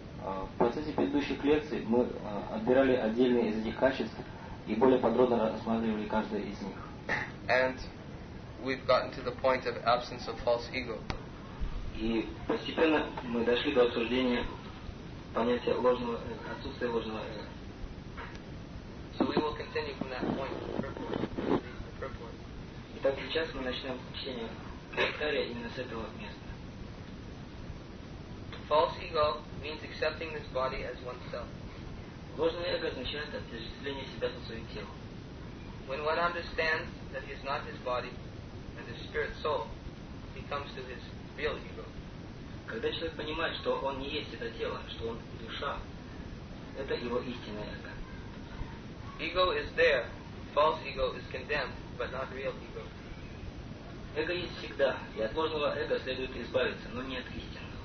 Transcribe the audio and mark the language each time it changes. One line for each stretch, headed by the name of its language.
Russian: В процессе предыдущих лекций мы отбирали отдельные из этих качеств и более подробно рассматривали каждое из них.
English: And we've gotten to the point of absence of false ego.
Russian: И постепенно мы дошли до обсуждения понятия ложного эго, отсутствия ложного эго.
English: So we will continue from that point the purport.
Russian: Итак, сейчас мы начнем чтение комментария именно с этого места.
English: False ego means accepting this body as oneself.
Russian: Ложное эго означает отождествление себя со своим телом.
English: When one understands that he is not his body, his spirit soul, he comes to his real ego.
Russian: Когда человек понимает, что он не есть это тело, что он душа, это его истинное эго.
English: Ego is there. False ego is condemned, but not real ego.
Russian: Эго есть всегда, и от ложного эго следует избавиться, но не от истинного.